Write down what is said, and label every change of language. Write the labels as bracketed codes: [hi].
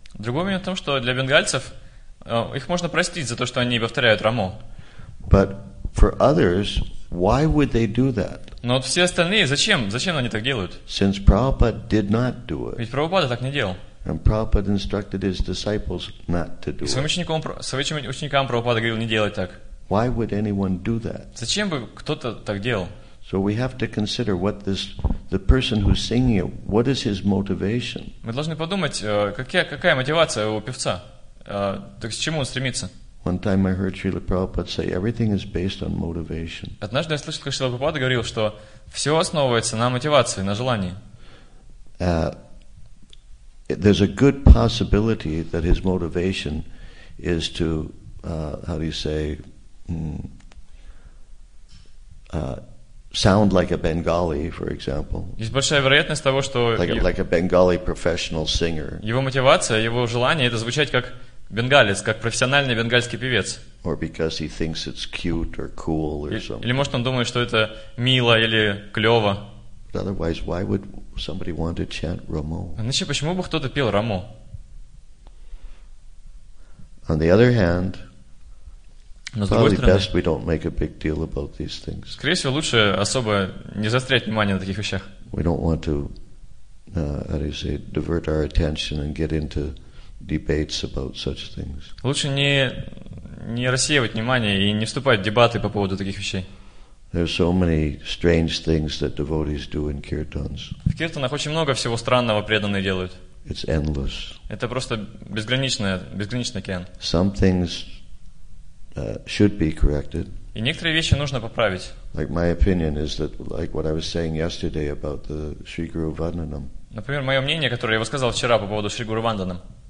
[ru] Другой момент в том, что для бенгальцев их можно простить за то, что они повторяют Рамо. [en] But for others, why would they do that? [ru] Но вот все остальные, зачем? Зачем они так делают? [en] Since Prabhupada did not do it. [ru] Ведь Прабхупада так не делал. [en] And Prabhupada instructed his disciples not to do it. [ru] Своим ученикам Прабхупада говорил не делать так. [en] Why would anyone do that? [ru] Зачем бы кто-то так делал? [en] So we have to consider what the person who's singing it, what is his motivation? [ru] Мы должны подумать, какая мотивация у певца, к чему он стремится. [en] One time I heard Srila Prabhupada say, everything is based on motivation. [ru] Однажды я слышал, как Шрила Прабхупада говорил, что все основывается на мотивации, на желании. [en] There's a good possibility that his motivation is to, how do you say, sound like a Bengali, for example. [ru] Есть большая вероятность того, что [en] like a Bengali professional singer. [ru] Его мотивация, его желание — это звучать как бенгалец, как профессиональный бенгальский певец. [en] Or because he thinks it's cute or cool or something. [ru] Или может он думает, что это мило или клево. [en] But otherwise, why would somebody want to chant Ramo? [ru] Иначе почему бы кто-то пел Рамо? [en] On the other hand, probably best we don't make a big deal about these things. [ru] Скорее всего, лучше особо не заострять внимание на таких вещах. [en] we don't want to, how do you say, divert our attention and get into debates about such things. [ru] Лучше не рассеивать внимание и не вступать в дебаты по поводу таких вещей. [en] There are so many strange things that devotees do in kirtans. [ru] В киртанах очень много всего странного преданные делают. [en] It's endless. [ru] Это просто безграничный океан. [en] Some things should be corrected. [ru] И некоторые вещи нужно поправить. [en] Like my opinion is that, like what I was saying yesterday about the Sri Guru Vandanam. [ru] Например, мое мнение, которое я высказал вчера по поводу Шри Гуру Ванданам.